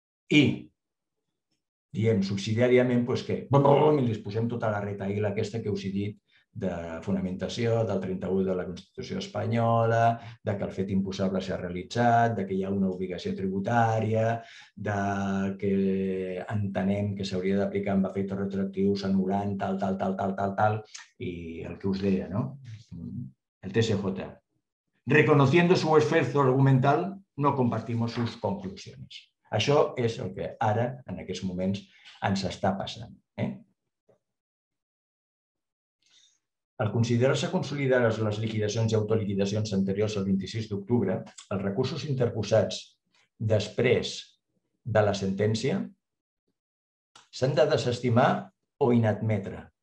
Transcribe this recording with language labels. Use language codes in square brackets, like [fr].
[ca] i diem subsidiàriament doncs que i li posem tota la retaïla aquesta que us he dit de fonamentació del 31 de la Constitució espanyola, de que el fet imposable s'ha realitzat, de que hi ha una obligació tributària, de que entenem que s'hauria d'aplicar amb efectes retroactius anul·lant tal, tal, tal, tal, tal, tal, i el que us deia, no? El TSJ. [es] Reconociendo su esfuerzo argumental, no compartimos sus conclusiones. [ca] Això és el que ara, en aquests moments, ens està passant, Al considerar-se consolidades les liquidacions i autoliquidacions anteriors al 26 d'octubre, els recursos interposats després de la sentència s'han de desestimar o inadmetre.